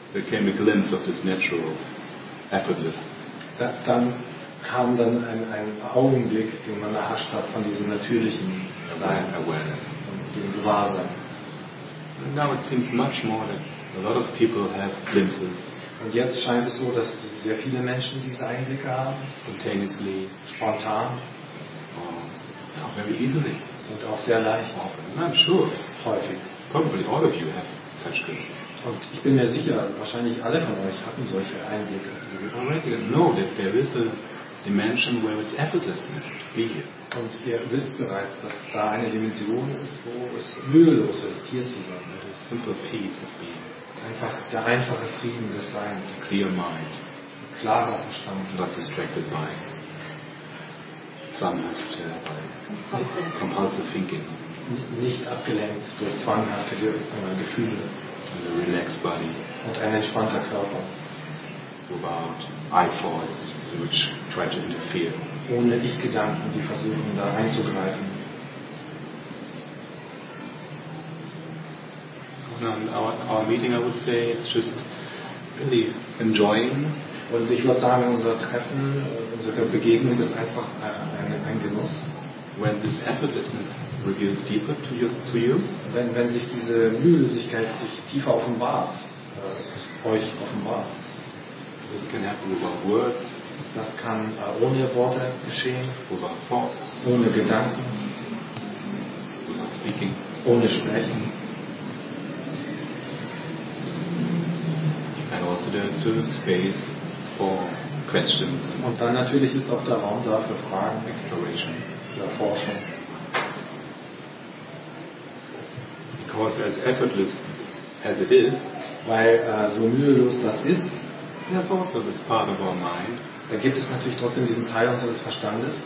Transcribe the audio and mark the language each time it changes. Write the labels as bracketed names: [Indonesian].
[English] There came a glimpse of this natural effortless. [German] Dann kam dann ein Augenblick, den man erhascht hat von diesem natürlichen Sein. [English] Awareness. [German] Und diesem Gewahrsein. [English] And now it seems much more that a lot of people have glimpses. [German] Und jetzt scheint es so, dass sehr viele Menschen diese Einblicke haben. [English] Spontaneously. [German] Spontan. [English] Oh, very easily. [German] Und auch sehr leicht. [English] Often. I'm sure. [German] Häufig. [English] Probably all of you have such glimpses. [German] Und ich bin mir sicher, wahrscheinlich alle von euch hatten solche Einblicke. [English] Already know that there is a dimension where it's effortlessness to be here. [German] Und ihr wisst bereits, dass da eine Dimension ist, wo es mühelos ist, hier zu sein. [English] The simple peace of being. [German] Einfach der einfache Frieden des Seins. [English] Clear mind. [German] Klarer Verstand. [English] Not distracted by [German] zwanghafte, [English] compulsive thinking. [German] Nicht abgelenkt durch zwanghafte Gefühle. [English] And a relaxed body. [German] Und ein entspannter Körper. [English] Without eye thoughts which try to interfere. [German] Ohne Ich-Gedanken, die versuchen, da einzugreifen. Sondern [English] our meeting, I would say, it's just really enjoying. [German] Und ich würde sagen, unser Treffen, unsere Begegnung ist einfach ein Genuss. [English] When this effortlessness reveals deeper to you. [German] Wenn sich diese Mühelosigkeit sich tiefer offenbart, euch offenbart. [English] This can happen without words. [German] Das kann ohne Worte geschehen. [English] Without thoughts. [German] Ohne Gedanken. [English] Without speaking. [German] Ohne Sprechen. [English] And also there is still space for questions. [German] Und dann natürlich ist auch der Raum da für Fragen. [English] Exploration. [German] Für Forschung. [English] Because as effortless as it is, [German] weil so mühelos das ist, [English] there's also this part of our mind, [German] da gibt es natürlich trotzdem diesen Teil unseres Verstandes,